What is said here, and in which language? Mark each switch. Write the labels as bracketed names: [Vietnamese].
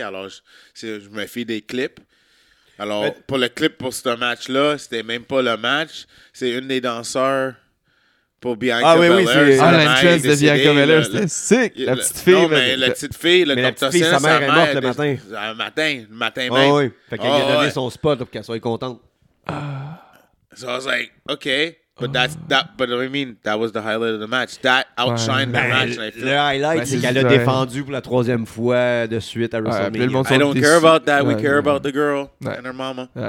[French] Alors, je me fie des clips. Alors, pour le clip pour ce match-là, c'était même pas le match. C'est une des danseurs pour Bianca Belair. Ah oui, Belair, oui, c'est l'entrance de Bianca Belair. C'était sick, la petite fille. Non, mais la petite fille, le la petite fille, sa mère est morte le matin. Le matin même. Ah oui, fait qu'elle lui a donné son spot pour qu'elle soit contente. [English] So I was like, okay, but that's that. But I mean, that was the highlight of the match. That outshined the match. [French] Le highlight, c'est qu'elle a défendu pour la troisième fois de suite à WrestleMania. [English] I don't care about that. We care about the girl and her mama.